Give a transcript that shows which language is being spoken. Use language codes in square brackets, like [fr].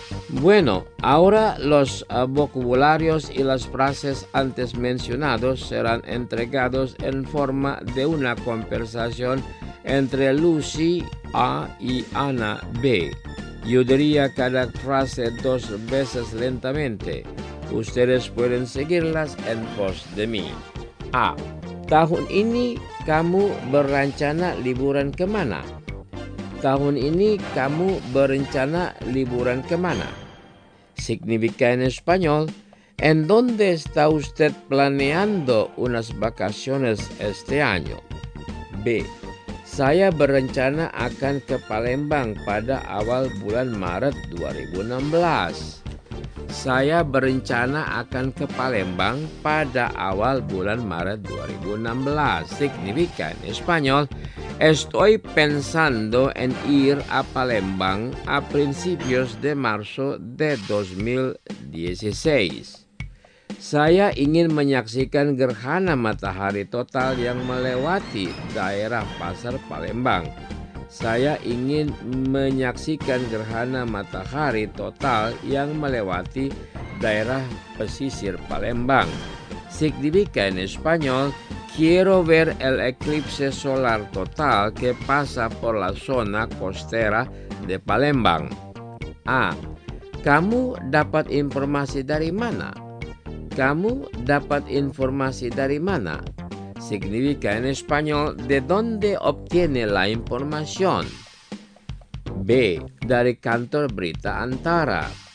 [es] Bueno, ahora los vocabularios y las frases antes mencionados serán entregados en forma de una conversación entre Lucy A y Ana B. Yo diría cada frase dos veces lentamente. Ustedes pueden seguirlas en pos de mí. A. [id] Tahun ini kamu berencana liburan kemana? Tahun ini kamu berencana liburan kemana? [es] Significa en español, ¿en dónde está usted planeando unas vacaciones este año? [id] B. Saya berencana akan ke Palembang pada awal bulan Maret 2016. Saya berencana akan ke Palembang pada awal bulan Maret 2016. [es] Significa en español, estoy pensando en ir a Palembang a principios de marzo de 2016. [id] Saya ingin menyaksikan gerhana matahari total yang melewati daerah pasar Palembang. Saya ingin menyaksikan gerhana matahari total yang melewati daerah pesisir Palembang. [es] Significa en español, quiero ver el eclipse solar total que pasa por la zona costera de Palembang. A. [id] Kamu dapat informasi dari mana? Kamu dapat informasi dari mana? [es] Significa en español, ¿de dónde obtiene la información? B. [id] Dari kantor berita antara.